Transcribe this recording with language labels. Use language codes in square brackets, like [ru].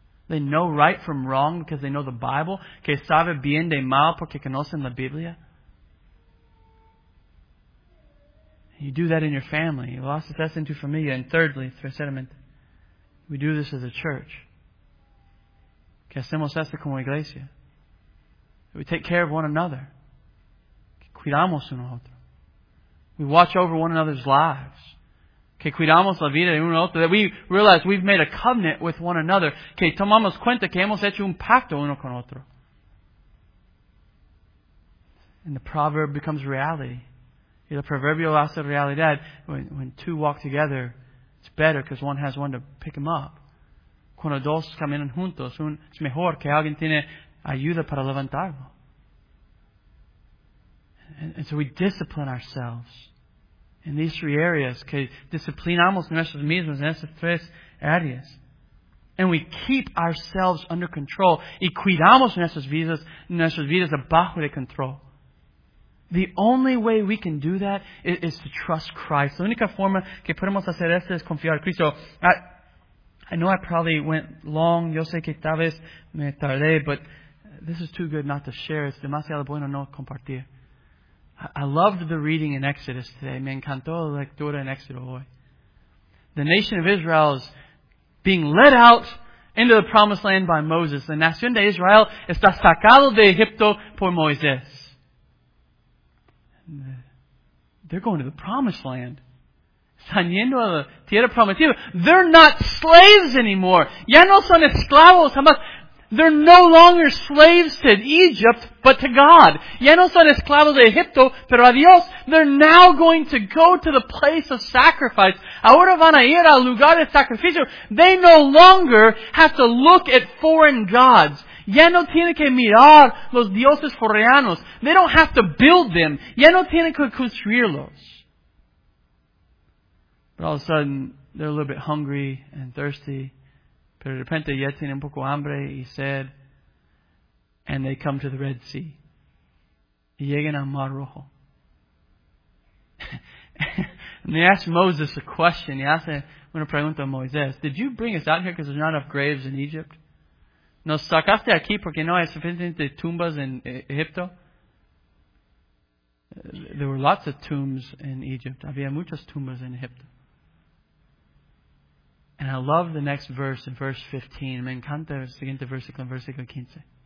[en] They know right from wrong because they know the Bible. [es] Que sabe bien de mal porque conocen la Biblia. [en] You do that in your family. You lost the test in [es] tu familia. [en] And thirdly, [es] tercermente, [en] we do this as a church. [es] Que hacemos esto como iglesia. [en] We take care of one another. [es] Que cuidamos uno otro. [en] We watch over one another's lives. [es] Que cuidamos la vida de uno otro. [en] That we realize we've made a covenant with one another. [es] Que tomamos cuenta que hemos hecho un pacto uno con otro. [en] And the proverb becomes reality. [es] Y el proverbio hace realidad. [en] When two walk together, It's better because one has one to pick him up. [es] Cuando dos caminan juntos, es mejor que alguien tiene ayuda para levantarlo. [en] And so we discipline ourselves in these three areas. [es] Que disciplinamos nuestros mismos en esas tres áreas. [en] And we keep ourselves under control. [es] Y cuidamos nuestras vidas bajo de control. [en] The only way we can do that is to trust Christ. [es] La única forma que podemos hacer esto es confiar en Cristo. [en] I know I probably went long. [es] Yo sé que tal vez me tardé, [en] but this is too good not to share. [es] Es demasiado bueno no compartir. [en] I loved the reading in Exodus today. [es] Me encantó la lectura en Exodus hoy. [en] The nation of Israel is being led out into the promised land by Moses. [es] La nación de Israel está sacado de Egipto por Moisés. [en] They're going to the promised land. [es] Están yendo a la tierra prometida. [en] They're not slaves anymore. [es] Ya no son esclavos jamás. [en] They're no longer slaves to Egypt, but to God. [es] Ya no son esclavos de Egipto, pero a Dios. [en] They're now going to go to the place of sacrifice. [es] Ahora van a ir al lugar de sacrificio. [en] They no longer have to look at foreign gods. [es] Ya no tienen que mirar los dioses foreanos. [en] They don't have to build them. [es] Ya no tienen que construirlos. [en] But all of a sudden, they're a little bit hungry and thirsty. [es] Pero de repente ya tienen un poco hambre y sed. [en] And they come to the Red Sea. [es] Y llegan al Mar Rojo. [en] And they ask Moses a question. [es] Y hace una pregunta a Moisés. [en] Did you bring us out here because there's not enough graves in Egypt? [es] ¿Nos sacaste aquí porque no hay suficientes tumbas en Egipto? [en] There were lots of tombs in Egypt. [es] Había muchas tumbas en Egipto. [en] And I love the next verse in verse 15. [es] Me encanta el siguiente versículo, versículo 15.